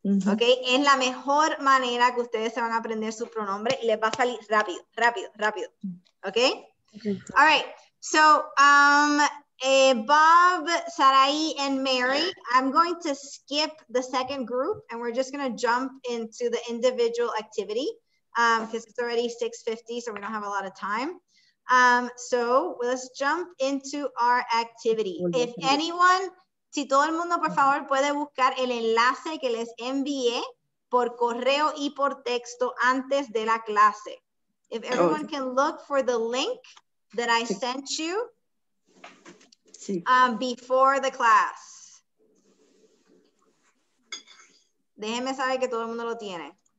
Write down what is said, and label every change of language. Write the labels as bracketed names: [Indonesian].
[Spanish] Ok, es la mejor manera que ustedes se van a aprender su pronombre y les va a salir rápido, rápido, rápido. [English] Ok, all right. So, Bob, Sarai, and Mary, I'm going to skip the second group and we're just going to jump into the individual activity because it's already 6:50, so we don't have a lot of time. So let's jump into our activity. If anyone, [Spanish] si todo el mundo por favor puede buscar el enlace que les envié por correo y por texto antes de la clase. [English] If everyone can look for the link that I sent you before the class. [Spanish] Déjeme saber que todo el mundo lo tiene.